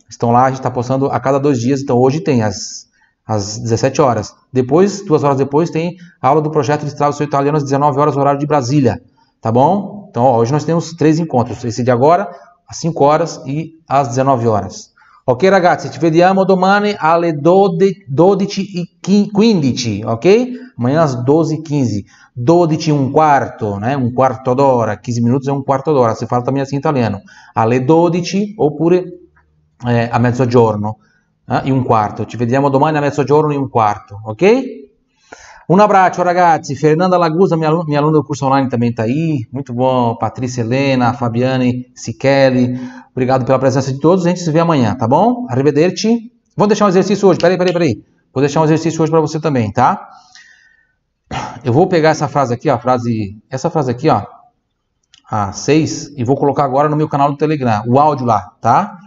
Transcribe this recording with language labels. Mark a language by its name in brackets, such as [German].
[Portuguese] Estão lá, a gente está postando a cada 2 dias, então hoje tem às 17 horas. Depois, 2 horas depois, tem a aula do projeto de Estrada do Seu Italiano às 19 horas, horário de Brasília, tá bom? Então, ó, hoje nós temos 3 encontros, esse de agora, às 5 horas e às 19 horas. [Italian] Ok, ragazzi? Ci vediamo domani alle 12:15, ok? [Portuguese] Amanhã às 12:15. 12:15, né? [Italian] Um quarto d'ora. [Portuguese] 15 minutos é [Italian] um quarto d'ora. [Portuguese] Se fala também assim em italiano. [Italian] Alle 12 oppure a mezzogiorno. E un quarto. Ci vediamo domani a mezzogiorno e un quarto. Ok? Un abbraccio, ragazzi. [Portuguese] Fernanda Lagusa, [Italian] mia aluna del curso online, [Portuguese] também tá aí. Muito bom. Patrícia Helena, Fabiane, Sicheli. Obrigado pela presença de todos. A gente se vê amanhã, tá bom? [Italian] Arrivederci. [Portuguese] Vou deixar um exercício hoje. Peraí. Vou deixar um exercício hoje para você também, tá? Eu vou pegar essa frase aqui, ó, essa frase aqui, a 6, e vou colocar agora no meu canal do Telegram, o áudio lá, tá?